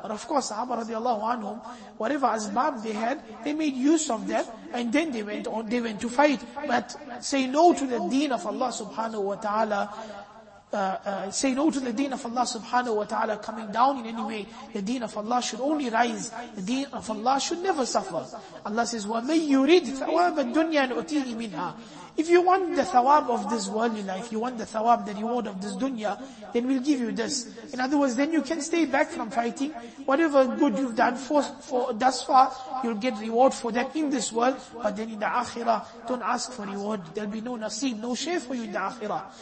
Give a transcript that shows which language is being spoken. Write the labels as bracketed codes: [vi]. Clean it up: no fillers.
[en] But of course, Sahaba radiallahu anhum, whatever asbab they had, they made use of that, and then they went to fight. But say no to the deen of Allah subhanahu wa ta'ala. say no to the deen of Allah subhanahu wa ta'ala coming down in any way. The deen of Allah should only rise. The deen of Allah should never suffer. Allah says, [ar] وَمَنْ يُرِدْ ثَوَابَ الدُّنْيَا نُؤْتِيهِ مِنْهَا. [en] If you want the thawab of this worldly life, you want the thawab, the reward of this dunya, then we'll give you this. In other words, then you can stay back from fighting. Whatever good you've done for thus far, you'll get reward for that in this world. But then in the akhirah, don't ask for reward. There'll be no naseeb, no share for you in the akhirah.